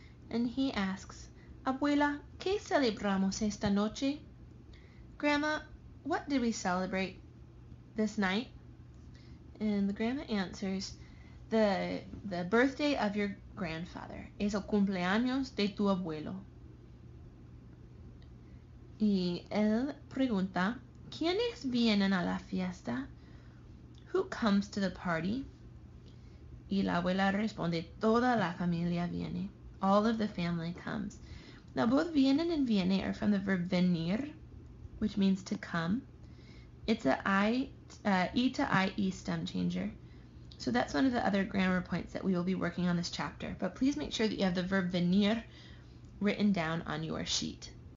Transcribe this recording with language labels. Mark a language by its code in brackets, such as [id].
[en] And he asks, [es] Abuela, ¿qué celebramos esta noche? [en] Grandma, what did we celebrate this night? And the grandma answers, the birthday of your grandfather. [es] Es el cumpleaños de tu abuelo. Y él pregunta, ¿quiénes vienen a la fiesta? [en] Who comes to the party? [es] Y la abuela responde, toda la familia viene. [en] All of the family comes. Now both vienen and viene are from the verb venir, which means to come. It's an e to ie stem changer. So that's one of the other grammar points that we will be working on this chapter. But please make sure that you have the verb venir written down on your sheet.